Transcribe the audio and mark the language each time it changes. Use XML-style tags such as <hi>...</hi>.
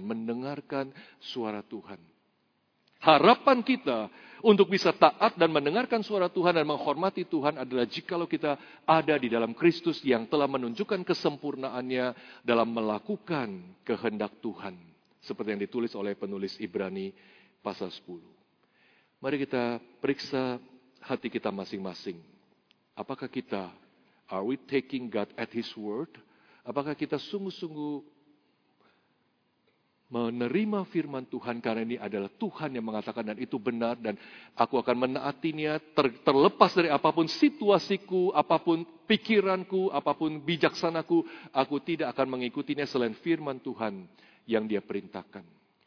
<id>Mendengarkan suara Tuhan. Harapan kita untuk bisa taat dan mendengarkan suara Tuhan dan menghormati Tuhan adalah jikalau kita ada di dalam Kristus yang telah menunjukkan kesempurnaannya dalam melakukan kehendak Tuhan. Seperti yang ditulis oleh penulis Ibrani pasal 10. Mari kita periksa hati kita masing-masing. Apakah kita,</id> <en>are we taking God at His word?</en> <id>Apakah kita sungguh-sungguh menerima firman Tuhan karena ini adalah Tuhan yang mengatakan dan itu benar dan aku akan menaatinya terlepas dari apapun situasiku, apapun pikiranku, apapun bijaksanaku, aku tidak akan mengikutinya selain firman Tuhan yang dia perintahkan.</id>